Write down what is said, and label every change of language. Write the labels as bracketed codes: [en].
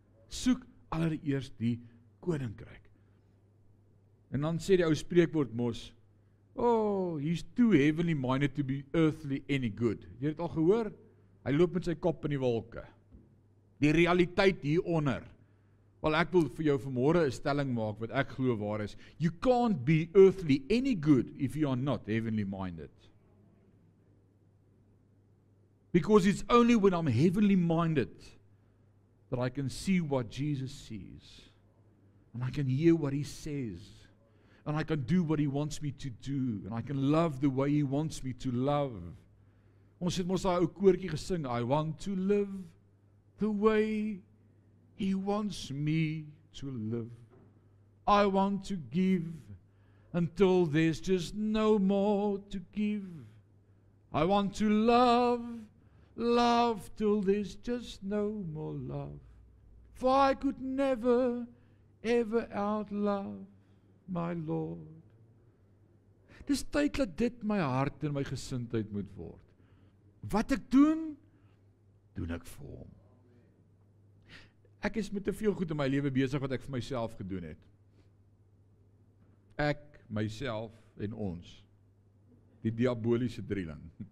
[af] Soek allereerst die koninkryk. En dan sê die ou spreekwoord mos, [en] oh, he's too heavenly minded to be earthly any good. [af] Jy het al gehoor? Hy loop met sy kop in die wolke. Die realiteit hieronder. Wel, ek wil vir jou vanmôre 'n stelling maak wat ek glo waar is. [en] You can't be earthly any good if you are not heavenly minded. Because it's only when I'm heavenly minded that I can see what Jesus sees. And I can hear what he says. And I can do what he wants me to do. And I can love the way he wants me to love. [af] Ons het mos daai ou koortjie gesing, [en] I want to live the way he wants me to live. I want to give until there's just no more to give. I want to love, love till there's just no more love. For I could never, ever outlove my Lord. [af] Dis tyd dat dit my hart en my gesindheid moet word. Wat ek doen, doen ek vir hom. Ek is met te veel goed in my lewe besig wat ek vir myself gedoen het. Ek, myself en ons. Die diaboliese drieling.